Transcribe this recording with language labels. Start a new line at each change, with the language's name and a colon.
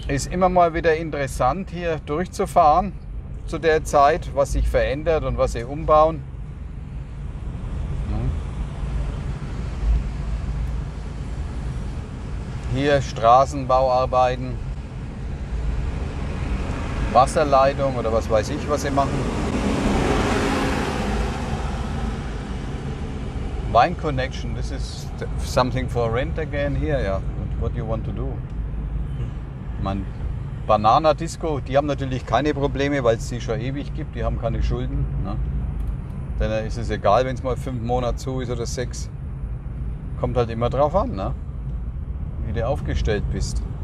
German: Ist immer mal wieder interessant, hier durchzufahren zu der Zeit, was sich verändert und was sie umbauen. Hier Straßenbauarbeiten, Wasserleitung oder was weiß ich, was sie machen.
English: Wine Connection, this is something for rent again here, ja. Yeah. What do you want to do?
German: Meine Banana Disco, die haben natürlich keine Probleme, weil es sie schon ewig gibt, die haben keine Schulden. Ne? Denn dann ist es egal, wenn es mal 5 Monate zu ist oder 6. Kommt halt immer drauf an, ne? Wie du aufgestellt bist.